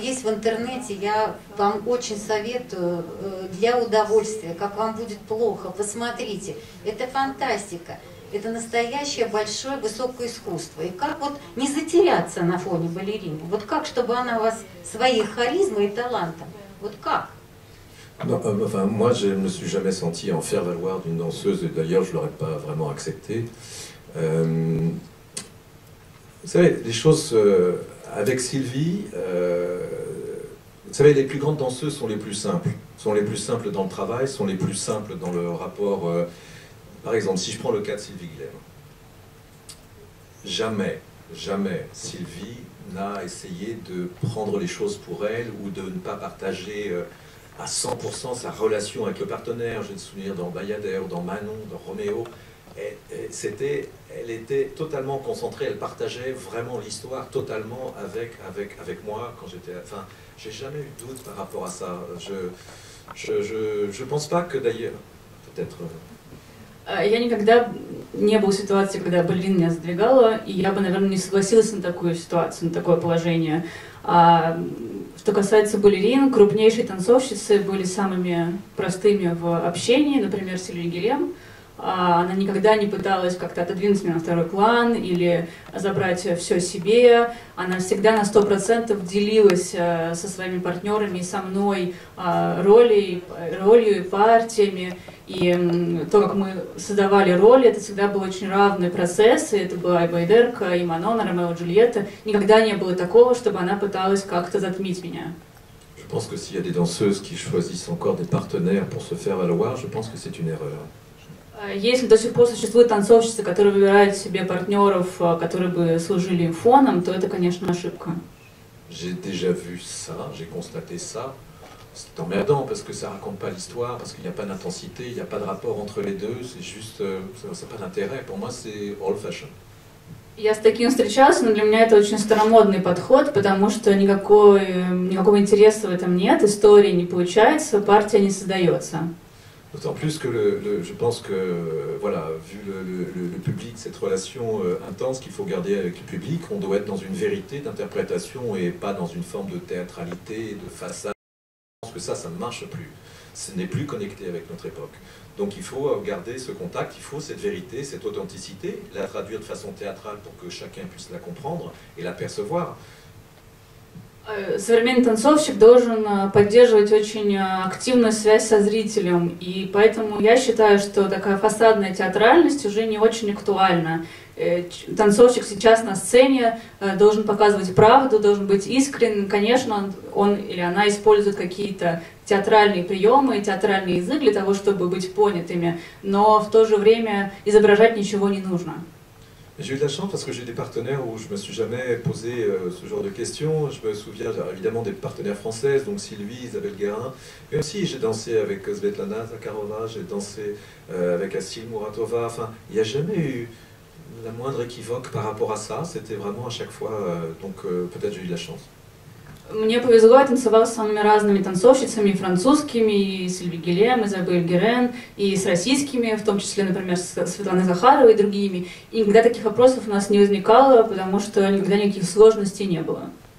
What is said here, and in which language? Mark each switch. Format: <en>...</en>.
<ru>Он есть в интернете, я вам очень советую для удовольствия, как вам будет плохо, посмотрите. Это фантастика, это настоящее большое высокое искусство. И как вот не затеряться на фоне балерины? Вот как, чтобы она вас своей харизмой и талантом? Вот как?</ru> <fr>Non, enfin, moi, je ne me suis jamais senti en faire valoir d'une danseuse, et d'ailleurs, je ne l'aurais pas vraiment accepté. Vous savez, les choses avec Sylvie, vous savez, les plus grandes danseuses sont les plus simples. Sont les plus simples dans le travail, sont les plus simples dans le rapport. Par exemple, si je prends le cas de Sylvie Guilhem, jamais, jamais Sylvie n'a essayé de prendre les choses pour elle ou de ne pas partager à 100% sa relation avec le partenaire. J'ai le souvenir dans Bayader, dans Manon, dans Roméo. Elle était totalement concentrée, elle partageait vraiment l'histoire totalement avec moi quand j'étais... Enfin, j'ai jamais eu de doute par rapport à ça. Je pense pas que d'ailleurs, peut-être...</fr> <ru>Я никогда не был в ситуации, когда балерин меня задвигала, и я бы, наверное, не согласилась на такую ситуацию, на такое положение. А что касается балерин, крупнейшие танцовщицы были самыми простыми в общении, например, Сильви Гилем. Она никогда не пыталась как-то отодвинуть меня на второй план или забрать все себе. Она всегда на 100% делилась со своими партнерами и со мной ролью и партиями. И то, как мы создавали роли, это всегда был очень равный процесс. И это была и Байдерка, и Манон, и Ромео, и Джульетта. Никогда не было такого, чтобы она пыталась как-то затмить меня. Я думаю, что если есть танцоры, которые выбирают еще партнеров, чтобы себя понять, я думаю, что это ошибка. Если до сих пор существуют танцовщицы, которые выбирают себе партнеров, которые бы служили им фоном, то это, конечно, ошибка.</ru> <fr>J'ai déjà vu ça, j'ai constaté ça. C'est emmerdant parce que ça raconte pas l'histoire, parce qu'il n'y a pas d'intensité, il n'y a pas de rapport entre les deux, c'est juste, c'est pas d'intérêt. Pour moi, c'est</fr> <en>old fashion.</en> <ru>Я с таким встречался, но для меня это очень старомодный подход, потому что никакого интереса в этом нет, истории не получается, партия не создается.</ru> <fr>D'autant plus que je pense que, voilà, vu le public, cette relation intense qu'il faut garder avec le public, on doit être dans une vérité d'interprétation et pas dans une forme de théâtralité, de façade. Je pense que ça ne marche plus. Ce n'est plus connecté avec notre époque. Donc il faut garder ce contact, il faut cette vérité, cette authenticité, la traduire de façon théâtrale pour que chacun puisse la comprendre et l'apercevoir.</fr> <ru>Современный танцовщик должен поддерживать очень активную связь со зрителем, и поэтому я считаю, что такая фасадная театральность уже не очень актуальна. Танцовщик сейчас на сцене должен показывать правду, должен быть искренен. Конечно, он или она использует какие-то театральные приемы, театральный язык для того, чтобы быть понятыми, но в то же время изображать ничего не нужно.</ru> <fr>J'ai eu de la chance parce que j'ai des partenaires où je ne me suis jamais posé ce genre de questions. Je me souviens évidemment des partenaires françaises, donc Sylvie, Isabelle Guérin. Mais aussi j'ai dansé avec Svetlana Zakharova, j'ai dansé avec Asil Muratova. Enfin, il n'y a jamais eu la moindre équivoque par rapport à ça. C'était vraiment à chaque fois, peut-être j'ai eu de la chance.</fr> <ru>Мне повезло, я танцевала с самыми разными танцовщицами, и французскими, и Сильви Гилем, и Изабель Герен, и с российскими, в том числе, например, с Светланой Захаровой и другими. И никогда таких вопросов у нас не возникало, потому что никогда никаких сложностей не было.</ru>